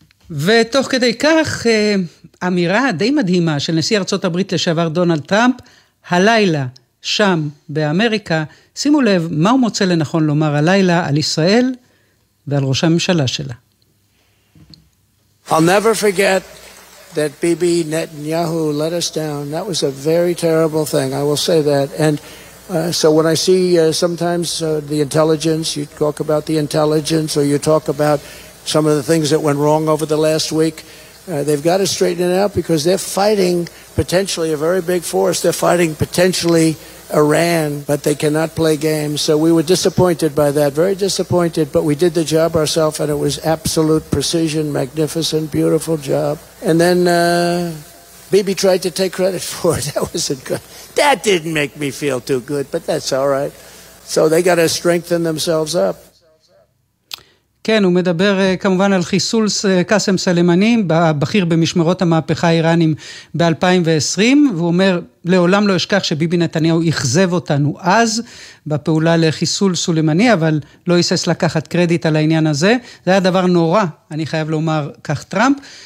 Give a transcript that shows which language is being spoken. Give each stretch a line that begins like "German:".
Hebrew: ותוך כדי כך, אמירה די מדהימה של נשיא ארצות הברית לשעבר דונלד טראמפ, הלילה שם באמריקה, שימו לב מה הוא מוצא לנכון לומר הלילה על ישראל ועל ראש הממשלה שלה.
English: I'll never forget that Bibi Netanyahu let us down. That was a very terrible thing, I will say that. And so when I see sometimes the intelligence, you talk about the intelligence or you talk about some of the things that went wrong over the last week, They've got to straighten it out because they're fighting potentially a very big force. They're fighting potentially Iran, but they cannot play games. So we were disappointed by that, very disappointed, but we did the job ourselves, and it was absolute precision, magnificent, beautiful job. And then Bibi tried to take credit for it. That wasn't good. That didn't make me feel too good, but that's all right. So they got to strengthen themselves up.
Hebrew: כן, הוא מדבר כמובן על חיסול קאסם סלמני, בכיר במשמרות המהפכה האיראנים ב-2020, והוא אומר, לעולם לא אשכח שביבי נתניהו יחזב אותנו אז, בפעולה לחיסול סלמני, אבל לא יסס לקחת קרדיט על העניין הזה, זה היה דבר נורא, אני חייב לומר כך טראמפ,